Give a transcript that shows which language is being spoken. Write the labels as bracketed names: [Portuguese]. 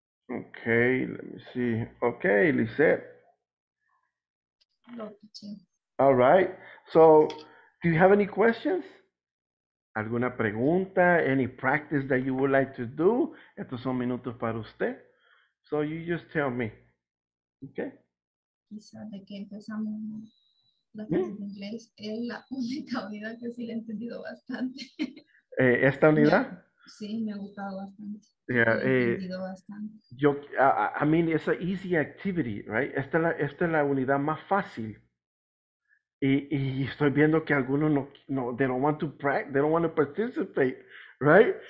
[English] Okay, let me see. Okay, Lisette. No, teacher. All right. So, do you have any questions? [Spanish] ¿Alguna pregunta? [English] Any practice that you would like to do? [Spanish] Estos son minutos para usted. [English] So, you just tell me. Okay. [Spanish] Quizá de que empezamos la clase de inglés es la única unidad que sí la he entendido bastante. ¿Esta unidad? Sí, me ha gustado bastante. [English] Yeah, [Spanish] bastante. [English] Yo, I mean, it's an easy activity, right? [Spanish] Esta es la unidad más fácil. Y estoy viendo que algunos no, [English] they don't want to practice, they don't want to participate, right?